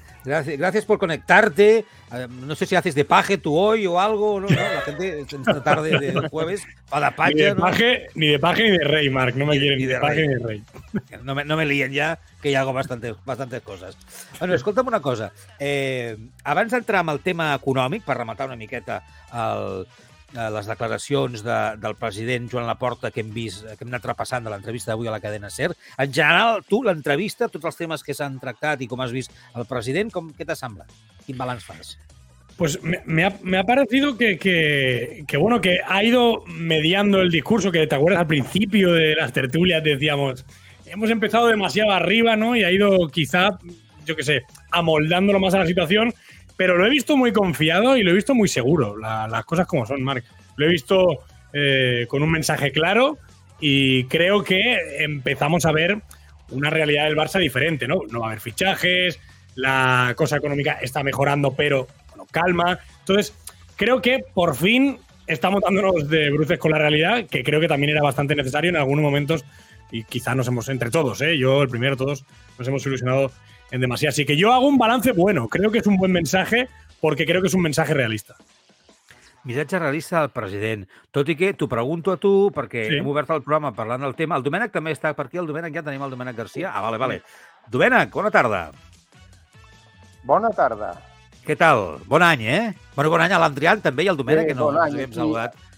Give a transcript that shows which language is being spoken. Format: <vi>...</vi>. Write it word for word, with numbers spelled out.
<es>Gracias, gracias por conectarte. No sé si haces de paje tú hoy o algo, ¿no? ¿No? La gente esta tarde de jueves para la paja. Ni de ¿no? paje, ni de paje, ni de rey, Marc. No me ni, quieren ni de, de paje, ni de rey. No me, no me líen ya, que ya hago bastantes, bastantes coses. Bueno,</es> <ca>escolta'm una cosa. Eh, abans d'entrar amb el tema econòmic, per rematar una miqueta el... les declaracions de, del president Joan Laporta que hem vist, que hem anat repassant de l'entrevista d'avui a la cadena SER. En general, tu, l'entrevista, tots els temes que s'han tractat i com has vist el president, com, què t'ha semblat? Quin balanç fas?</ca> <es>Pues me, me, ha, me ha parecido que, que, que, bueno, que ha ido mediando el discurso, que te acuerdas al principio de las tertulias, decíamos, hemos empezado demasiado arriba, ¿no? Y ha ido quizá, yo qué sé, amoldándolo más a la situación. Pero lo he visto muy confiado y lo he visto muy seguro, la, las cosas como son, Marc. Lo he visto eh, con un mensaje claro y creo que empezamos a ver una realidad del Barça diferente, ¿no? No va a haber fichajes, la cosa económica está mejorando, pero bueno, calma. Entonces, creo que por fin estamos dándonos de bruces con la realidad, que creo que también era bastante necesario en algunos momentos y quizás nos hemos, entre todos, ¿eh? Yo, el primero, todos, nos hemos ilusionado en demasía. Así que yo hago un balance bueno. Creo que es un buen mensaje porque creo que es un mensaje realista.</es> <ca>Missatge realista del president. Tot i que t'ho pregunto a tu, perquè sí, hem obert el programa parlant del tema. El Domènec també està per aquí. El Domènec, ja tenim el Domènec Garcia. Ah, vale, vale. Domènec, bona tarda. Bona tarda. Què tal? Bon any, eh? Bueno, bon any a l'Andrián també i al Domènec, sí, que no bon ens hem saludat.</ca>